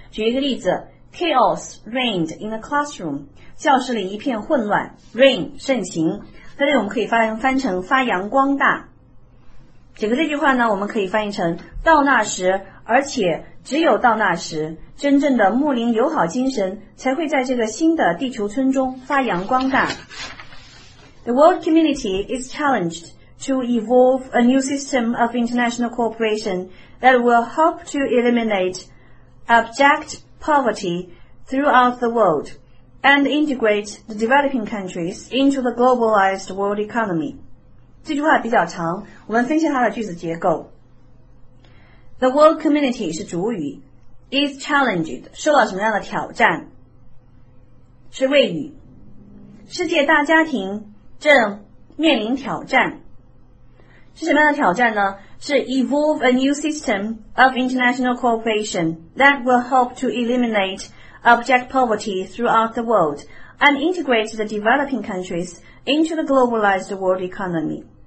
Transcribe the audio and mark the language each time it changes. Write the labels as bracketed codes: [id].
[zh] 举一个例子， [en] chaos reigned in the classroom, [zh] 教室里一片混乱， reign, 盛行。在这里我们可以翻成发扬光大。整个这句话呢，我们可以翻译成到那时，而且只有到那时，真正的睦邻友好精神才会在这个新的地球村中发扬光大。 [en] The world community is challenged to evolve a new system of international cooperation that will help to eliminate abject poverty throughout the worldand integrate the developing countries into the globalized world economy. [zh] 这句话比较长，我们分析它的句子结构。 [en] The world community [zh] 是主语， [en] is challenged [zh] 受到什么样的挑战？是谓语。世界大家庭正面临挑战。是什么样的挑战呢？ [en] 是 evolve a new system of international cooperation that will help to eliminateabject poverty throughout the world and integrate the developing countries into the globalized world economy.